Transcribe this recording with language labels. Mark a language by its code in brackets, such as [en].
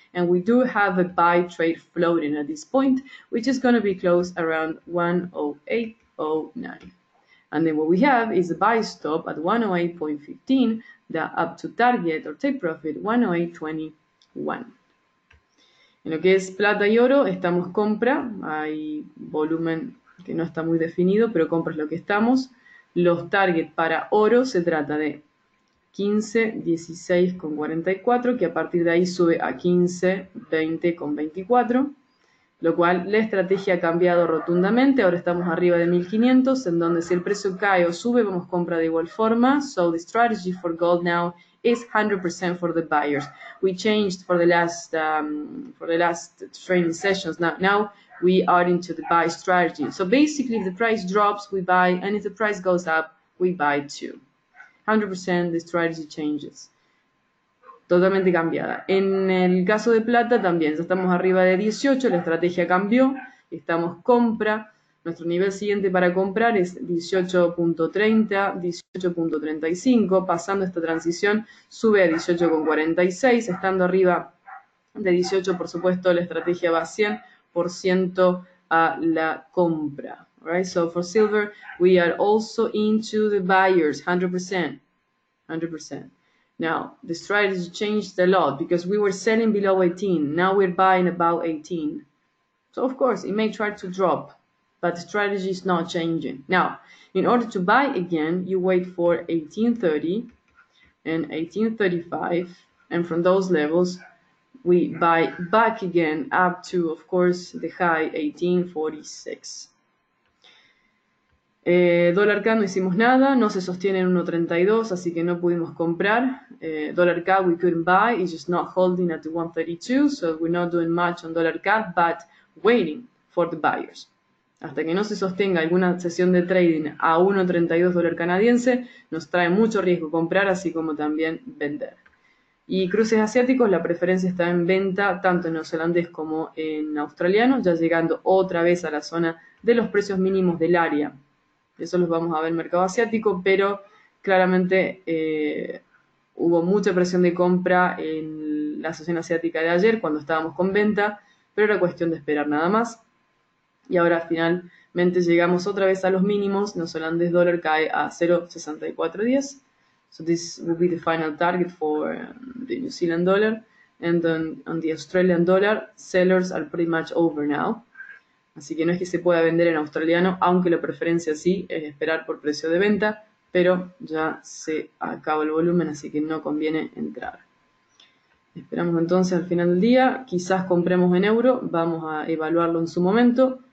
[en] And we do have a buy trade floating at this point, which is going to be close around 108. 09. And then what we have is a buy stop at 108.15, that up to target or take profit 108.21. [es] En lo que es plata y oro, estamos compra. Hay volumen que no está muy definido, pero compra es lo que estamos. Los targets para oro se trata de 15, 16 con 44, que a partir de ahí sube a 15, 20 con 24. Lo cual la estrategia ha cambiado rotundamente. Ahora estamos arriba de 1500, en donde si el precio cae o sube, vamos compra de igual forma. [en] So the strategy for gold now is 100% for the buyers. We changed for the last training sessions. Now we are into the buy strategy. So basically, if the price drops, we buy, and if the price goes up, we buy too. 100% the strategy changes. [es] Totalmente cambiada. En el caso de plata también, ya estamos arriba de 18, la estrategia cambió, estamos compra, nuestro nivel siguiente para comprar es 18.30, 18.35, pasando esta transición sube a 18.46, estando arriba de 18, por supuesto, la estrategia va 100% a la compra. [en] Right? So for silver, we are also into the buyers, 100%. 100%. Now, the strategy changed a lot because we were selling below 18. Now we're buying above 18. So, of course, it may try to drop, but the strategy is not changing. Now, in order to buy again, you wait for 18.30 and 18.35. And from those levels, we buy back again up to, of course, the high 18.46. [es] Dólar CAD no hicimos nada, no se sostiene en 1.32, así que no pudimos comprar. [en] Dólar CAD we couldn't buy, it's just not holding at the 1.32, so we're not doing much on dólar CAD, but waiting for the buyers. [es] Hasta que no se sostenga alguna sesión de trading a 1,32 dólar canadiense, nos trae mucho riesgo comprar, así como también vender. Y cruces asiáticos, la preferencia está en venta tanto en neozelandés como en australiano, ya llegando otra vez a la zona de los precios mínimos del área. Eso los vamos a ver en mercado asiático, pero claramente hubo mucha presión de compra en la sesión asiática de ayer cuando estábamos con venta, pero era cuestión de esperar nada más. Y ahora finalmente llegamos otra vez a los mínimos, neozelandés dólar cae a 0,6410. [en] So this will be the final target for the New Zealand dollar. And on the Australian dollar, sellers are pretty much over now. [es] Así que no es que se pueda vender en australiano, aunque la preferencia sí es esperar por precio de venta, pero ya se acaba el volumen, así que no conviene entrar. Esperamos entonces al final del día, quizás compremos en euro, vamos a evaluarlo en su momento.